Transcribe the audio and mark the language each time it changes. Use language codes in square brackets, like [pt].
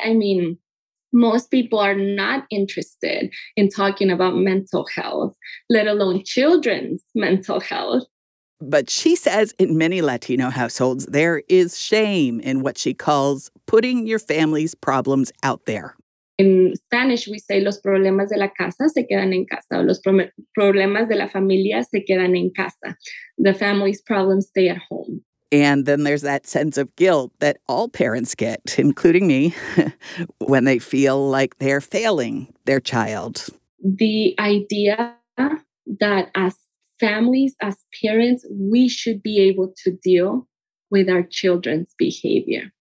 [en] I mean, most people are not interested in talking about mental health, let alone children's mental health. But she says in many Latino households, there is shame in what she calls putting your family's problems out there. In Spanish, we say [es] los problemas de la casa se quedan en casa. Los problemas de la familia se quedan en casa. [en] The family's problems stay at home. And then there's that sense of guilt that all parents get, including me, when they feel like they're failing their child. The idea that as families, as parents, we should be able to deal with our children's behavior.